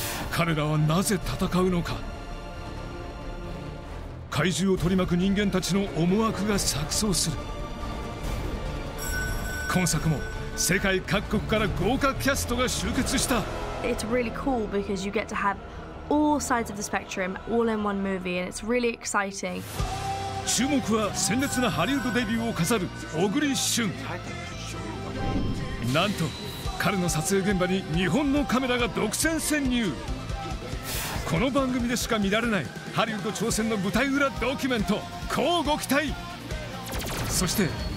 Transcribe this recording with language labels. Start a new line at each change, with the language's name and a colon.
Japanese: 彼らはなぜ戦うのか。怪獣を取り巻く人間たちの思惑が錯綜する。今作も世界各国から豪華キャストが集結した。
English: It's really cool because you get to have all sides of the spectrum all in one movie and it's really exciting.
Japanese: 注目は鮮烈なハリウッドデビューを飾る小栗旬。なんと彼の撮影現場に日本のカメラが独占潜入。この番組でしか見られないハリウッド挑戦の舞台裏ドキュメント、乞うご期待。そして。